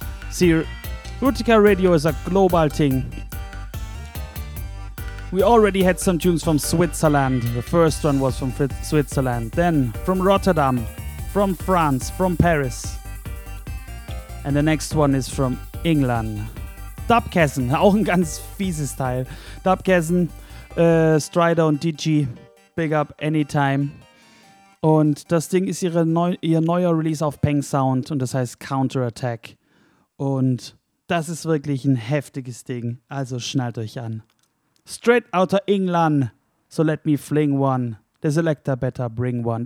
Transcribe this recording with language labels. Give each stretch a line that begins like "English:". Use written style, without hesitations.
English: See, Rootikal Radio is a global thing. We already had some tunes from Switzerland. The first one was from Switzerland. Then from Rotterdam, from France, from Paris. And the next one is from England.
German: Dubkessen, auch ein ganz fieses Teil. Dubkessen, Strider und Digi,
English: big up anytime.
German: Und das Ding ist ihr neuer Release auf Peng Sound und das heißt Counterattack. Und das ist wirklich ein heftiges Ding, also schnallt euch an.
English: Straight out of England, so let me fling one. The selector better bring one.